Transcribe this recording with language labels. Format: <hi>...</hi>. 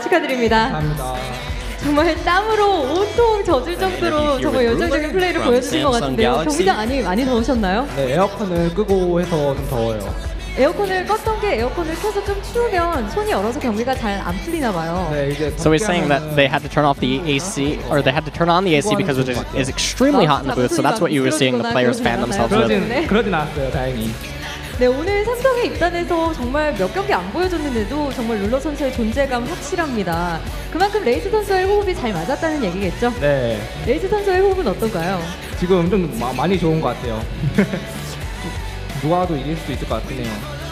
<ko>축하드립니다. 감사합니다. 정말 땀으로 온통 젖을 정도로 정말 열정적인 플레이를 보여주신 것 같은데요. 경기장 안이 많이 더우셨나요? 네, 에어컨을 끄고 해서 좀 더워요. 에어컨을 껐던 게 에어컨을 켜서 좀 추우면 손이 얼어서 경기가 잘 안 풀리나 봐요. 네, 이제</ko> <en>So he's saying that they had to turn off the AC or they had to turn on the AC because it is extremely hot in the booth. So that's what you were seeing the players fan themselves with.</en> <ko>그러진 않았어요, 다행히. 네, 오늘 삼성에 입단해서 정말 몇 경기 안 보여줬는데도 정말 룰러 선수의 존재감 확실합니다. 그만큼 레이즈 선수의 호흡이 잘 맞았다는 얘기겠죠? 네. 레이즈 선수의 호흡은 어떤가요? 지금 좀 많이 좋은 것 같아요. 누가도 이길 수도 있을 것 같네요.</ko>